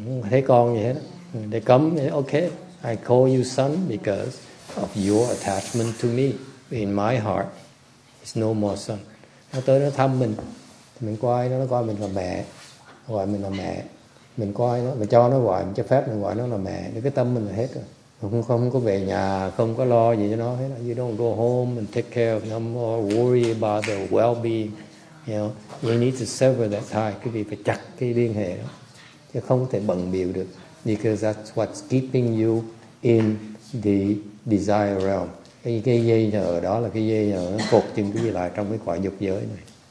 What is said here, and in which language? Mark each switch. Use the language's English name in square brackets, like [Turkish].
[Vietnamese] Thấy con gì hết. [English] They come, okay, I call you son because of your attachment to me. In my heart, it's no more son. [Vietnamese] Nó tới nó thăm mình, mình coi nó coi mình là mẹ, gọi mình là mẹ. Mình coi nó, mình cho nó gọi, mình cho phép mình gọi nó là mẹ. Nên cái tâm mình là hết rồi. Không có về nhà, không có lo gì cho nó hết. [English] You don't go home and take care of them or worry about their well-being. You need to sever that tie. [Vietnamese] Quý vị phải chặt cái liên hệ đó, chứ không thể bận biểu được. [English] Because that's what's keeping you in the desire realm. [Vietnamese] Cái dây nhờ đó là cái dây nhờ nó cột chân quý vị lại trong cái quả dục giới này.